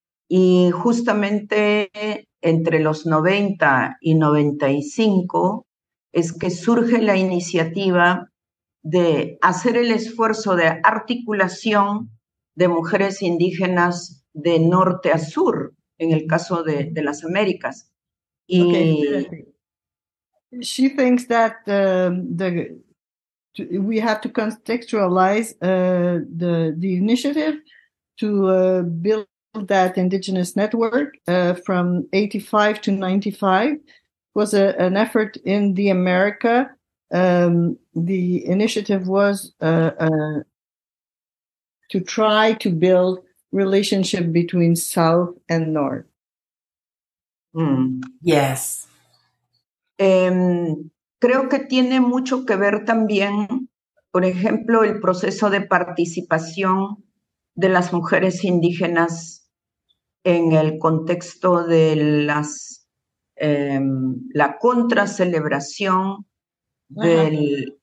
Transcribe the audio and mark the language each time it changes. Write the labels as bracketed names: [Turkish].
[Spanish] Y justamente entre los 90 y 95 es que surge la iniciativa de hacer el esfuerzo de articulación de mujeres indígenas de norte a sur, en el caso de las Américas. Y [English] okay. She thinks that we have to contextualize the initiative to build that indigenous network from 85 to 95 was an effort in the America. The initiative was to try to build relationship between South and North. Mm. Yes. [Spanish] Creo que tiene mucho que ver también, por ejemplo, el proceso de participación de las mujeres indígenas en el contexto de las la contracelebración del, uh-huh.